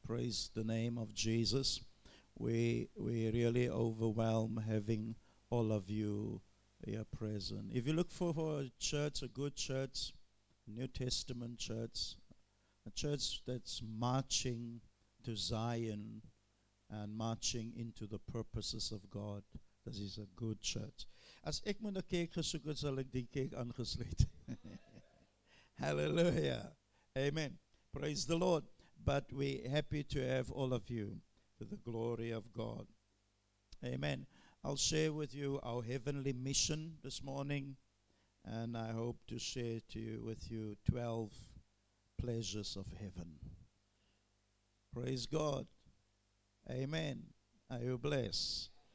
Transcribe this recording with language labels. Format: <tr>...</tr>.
<en>Praise the name of Jesus. We really overwhelm having all of you here present. If you look for a church, a good church, New Testament church, a church that's marching to Zion and marching into the purposes of God. This is a good church.</en> <af>As ek moet 'n kerk gesoek het, sal ek die kerk aangesluit.</af> <en>Hallelujah. Amen. Praise the Lord. But we're happy to have all of you for the glory of God. Amen. I'll share with you our heavenly mission this morning, and I hope to share with you 12 pleasures of heaven. Praise God. Amen. Are you blessed?</en>